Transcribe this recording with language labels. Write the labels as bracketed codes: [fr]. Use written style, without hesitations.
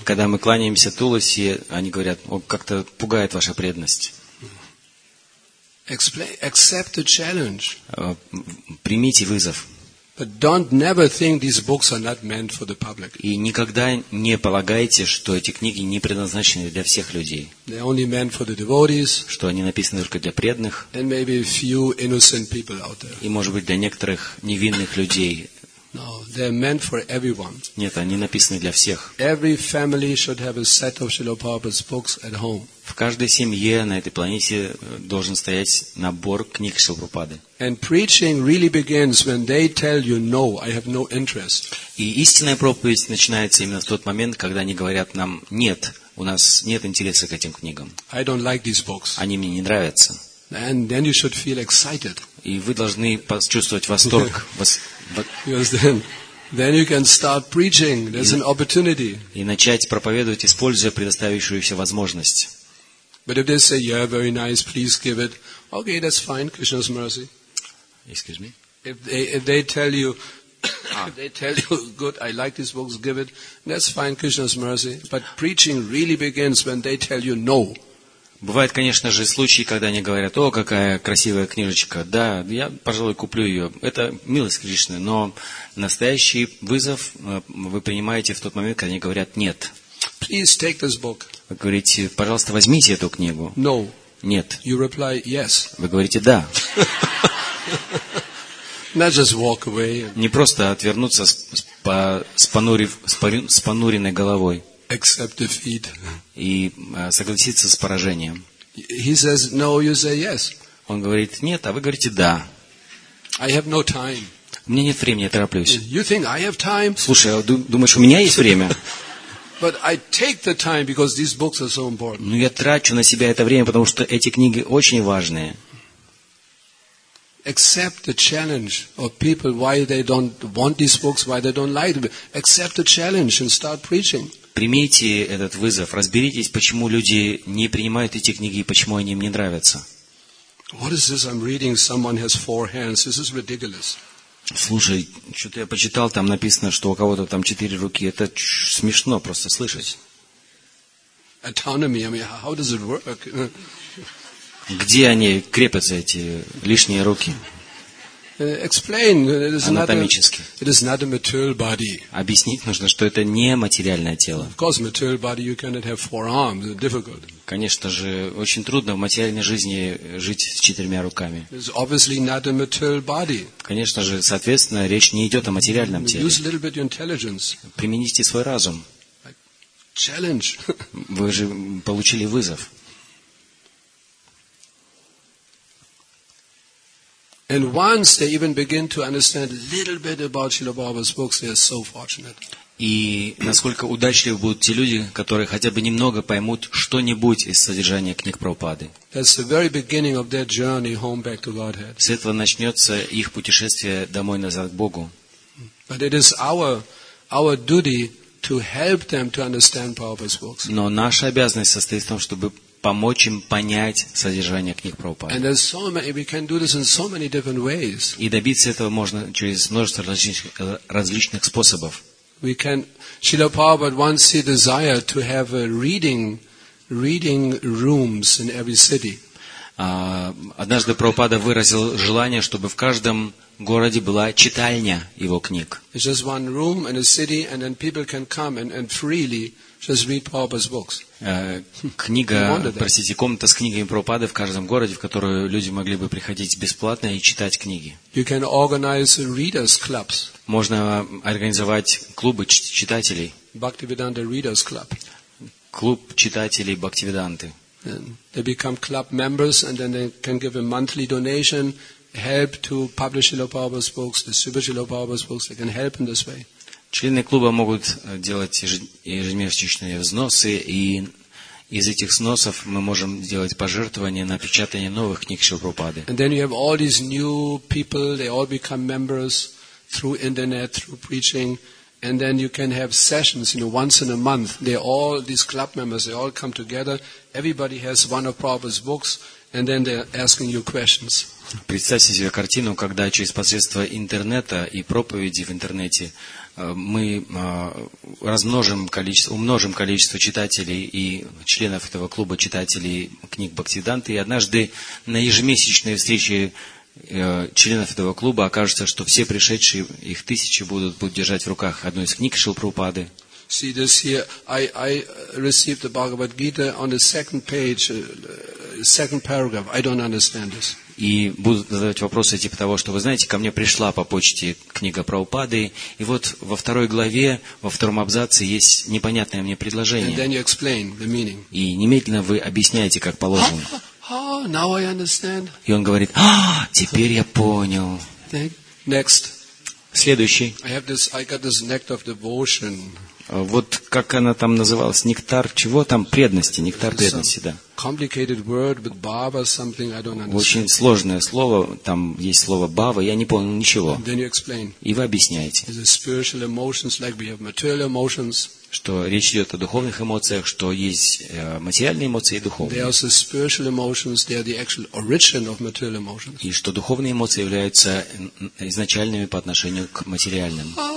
[ru] Когда мы кланяемся Туласи, они говорят: "О, как-то пугает ваша преданность." [en] Accept the challenge. [ru] Примите вызов. [en] But don't never think these books are not meant for the public. [ru] И никогда не полагайте, что эти книги не предназначены для всех людей. [en] They are only meant for the devotees. [ru] Что они написаны только для преданных. [en] And maybe a few innocent people out there. [ru] И, может быть, для некоторых невинных людей. [en] No, they're meant for everyone. [ru] Нет, они написаны для всех. [en] Every family should have a set of Srila Prabhupada's books at home. [ru] В каждой семье на этой планете должен стоять набор книг Шрилы Прабхупады. [en] And preaching really begins when they tell you, "No, I have no interest." [ru] И истинная проповедь начинается именно в тот момент, когда они говорят нам: "Нет, у нас нет интереса к этим книгам." [en] I don't like these books. [ru] Они мне не нравятся. [en] And then you should feel excited. [ru] И вы должны почувствовать восторг. [en] Because then you can start preaching. There's an opportunity. [ru] И начать проповедовать, используя предоставившуюся возможность. [en] But if they say, "Yeah, very nice. Please give it." Okay, that's fine. Krishna's mercy. Excuse me. If they tell you, if they tell you, "Good, I like these books. Give it." That's fine. Krishna's mercy. But preaching really begins when they tell you no. [ru] Бывают, конечно же, случаи, когда они говорят: "О, какая красивая книжечка, да, я, пожалуй, куплю ее." Это милость Кришны, но настоящий вызов вы принимаете в тот момент, когда они говорят «нет». [en] Please take this book. [ru] Вы говорите: "Пожалуйста, возьмите эту книгу." [en] No. [ru] Нет. [en] You reply, yes. [ru] Вы говорите «да». [en] Not just walk away. [ru] Не просто отвернуться с понуренной головой. [en] Accept defeat. [ru] И согласиться с поражением. [en] He says no, you say yes. [ru] Он говорит нет, а вы говорите да. [en] I have no time. [ru] У меня нет времени, я тороплюсь. [en] You think I have time? [ru] Слушай, а думаешь, у меня есть время? [en] But I take the time because these books are so important. [ru] Но я трачу на себя это время, потому что эти книги очень важные. [en] Accept the challenge of people, why they don't want these books, why they don't like them. Accept the challenge and start preaching. [ru] Примите этот вызов, разберитесь, почему люди не принимают эти книги и почему они им не нравятся. What is this I'm reading? Someone has four hands. This is ridiculous. Слушай, что-то я почитал, там написано, что у кого-то там четыре руки. Это смешно просто слышать. [en] Autonomy, I mean, how does it work? [ru] Где они крепятся, эти лишние руки? [en] Explain. It is [ru] анатомически. [en] Not a, it is not a material body. [ru] Объяснить нужно, что это не материальное тело. [en] Of course, material body you cannot have four arms. It's difficult. [ru] Конечно же, очень трудно в материальной жизни жить с четырьмя руками. [en] It's obviously not a material body. [ru] Конечно же, соответственно, речь не идет о материальном теле. [en] Use a little bit your intelligence. [ru] Примените свой разум. [en] Challenge. [ru] Вы же получили вызов. [en] And once they even begin to understand a little bit about Srila Prabhupada's books, they are so fortunate. [ru] И насколько удачливы будут те люди, которые хотя бы немного поймут что-нибудь из содержания книг Прабхупады. [en] That's the very beginning of their journey home back to Godhead. [ru] С этого начнется их путешествие домой назад к Богу. [en] But it is our duty to help them to understand Prabhupada's books. [ru] Но наша обязанность состоит в том, чтобы помочь им понять содержание книг Прабхупады. И добиться этого можно через множество различных способов. [en] We can. Srila Prabhupada once he desired to have a reading rooms in every city. [ru] Однажды Прабхупада выразил желание, чтобы в каждом городе была читальня его книг. [en] It's just one room in a city, and then people can come and freely just read Prabhupada's books. [ru] Книга, простите, комната с книгами Прабхупады в каждом городе, в которую люди могли бы приходить бесплатно и читать книги. [en] You can organize readers clubs. [ru] Можно организовать клубы читателей. [en] Bhaktivedanta readers club. [ru] Клуб читателей Бхактивиданты. [en] They become club members, and then they can give a monthly donation, help to publish Srila Prabhupada's books, distribute Srila Prabhupada's books. They can help in this way. [ru] Члены клуба могут делать ежемесячные взносы, и из этих взносов мы можем делать пожертвования на печатание новых книг Шрилы Прабхупады. [en] And then you have all these new people, they all become members through internet, through preaching, and then you can have sessions, you know, once in a month. They all, these club members, they all come together, everybody has one of Prabhupada's books, and then they're asking you questions. [ru] Представьте себе картину, когда через посредство интернета и проповеди в интернете мы умножим количество читателей и членов этого клуба читателей книг Бхактивиданты, и однажды на ежемесячной встрече членов этого клуба окажется, что все пришедшие, их тысячи, будут держать в руках одну из книг Шрилы Прабхупады. [en] See this here. I received the Bhagavad Gita on the second page, second paragraph. I don't understand this. [ru] И будут задавать вопросы типа того, что вы знаете, ко мне пришла по почте книга Прабхупады, и вот во второй главе, во втором абзаце есть непонятное мне предложение. [en] And then you explain the meaning. [ru] И немедленно вы объясняете, как положено. [en] Oh, now I understand. [ru] И он говорит: «А, теперь я понял». [en] Next. [ru] Следующий. [en] I got this nectar of devotion. [ru] Вот как она там называлась? Нектар чего там? Преданности. Нектар преданности, да. [en] Complicated word, but bhava something I don't understand. [ru] Очень сложное слово. Там есть слово бхава. Я не понял ничего. [en] And then you explain. [ru] И вы объясняете. [en] It's the spiritual emotions, like we have material emotions. [ru] Что речь идет о духовных эмоциях, что есть материальные эмоции и духовные. И что духовные эмоции являются изначальными по отношению к материальным.